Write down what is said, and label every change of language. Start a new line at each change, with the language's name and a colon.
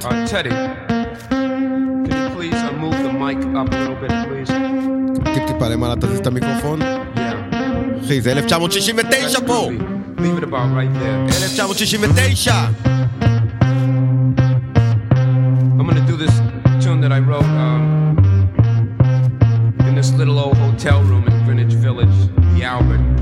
English: Teddy, can you please move the mic up a little bit, please?
Hebrew: טיפ טיפה למעלה, תזיז את המיקרופון. אחי, זה 1969 פה.
English: Leave it about right there. 1969. I'm gonna do this tune that I wrote in this little old hotel room in Greenwich Village, the Albert.